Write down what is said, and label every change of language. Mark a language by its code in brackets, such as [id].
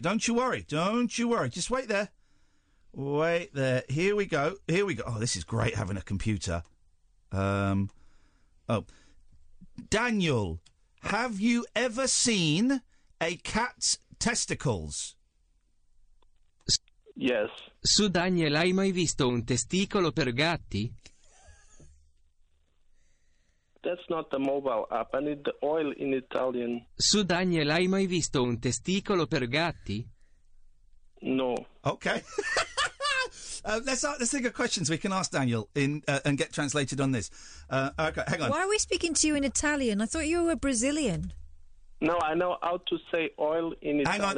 [en] Don't you worry. Don't you worry. Just wait there. Wait there. Here we go. Here we go. Oh, this is great having a computer. Daniel, have you ever seen a cat's testicles? Yes. [it] Su Daniel, hai mai visto un testicolo per gatti? [en] That's not the mobile app. I need the Oil in Italian. [it] Su Daniel, hai mai visto un testicolo per gatti? [en] No. Okay. let's think of questions we can ask Daniel and get translated on this. Okay, hang on. Why are we speaking to you in Italian? I thought you were Brazilian. No, I know how to say oil in Italian.